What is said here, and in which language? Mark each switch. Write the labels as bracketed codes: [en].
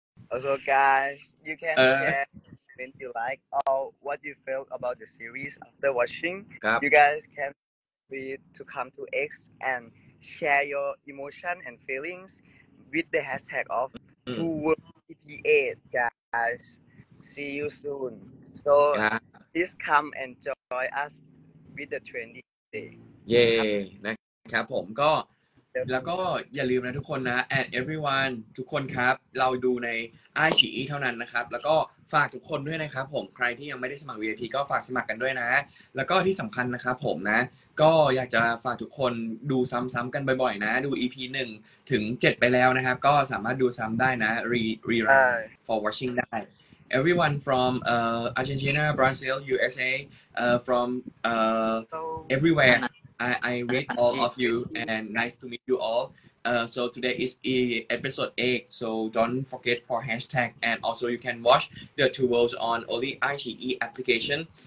[en] also, guys, you can share when you like or what you feel about the series after watching, you guys can feel to come to X and share your emotion and feelings with the hashtag of TwoWorldEP8, guys. See you soon. So please come and join us with the trendy day. Yay! [th] ครับผมก็แล้วก็อย่าลืมนะทุกคนนะ [en] and everyone [th] ทุกคนครับเราดูในไอฉีเท่านั้นนะครับแล้วก็ฝากทุกคนด้วยนะครับผมใครที่ยังไม่ได้สมัคร VIP ก็ฝากสมัครกันด้วยนะ แล้วก็ที่สำคัญนะครับผมนะก็อยากจะฝากทุกคนดูซ้ำๆกันบ่อยๆนะดู EP 1ถึง7ไปแล้วนะครับก็สามารถดูซ้ำได้นะ [en] rerun for watching ได้ everyone from Argentina Brazil USA from everywhere I read all of you and nice to meet you allSo today is episode 8, so don't forget for hashtag. And also you can watch the Two Worlds on only iQIYI application.